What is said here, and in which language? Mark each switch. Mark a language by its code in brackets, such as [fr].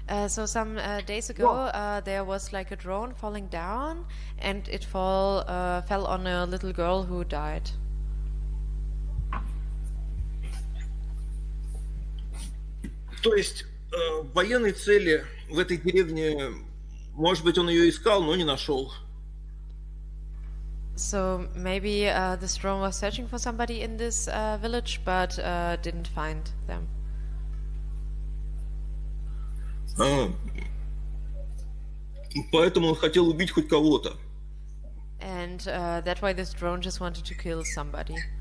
[en] So some days ago, there was like a drone falling down, and it fell on a little girl who died. [ru] То есть военной цели в этой деревне, может быть, он ее искал, но не нашел. [en] So maybe this drone was searching for somebody in this village, but didn't find them. Mm. [ru] Поэтому он хотел убить хоть кого-то. [en] And that's why this drone just wanted to kill somebody.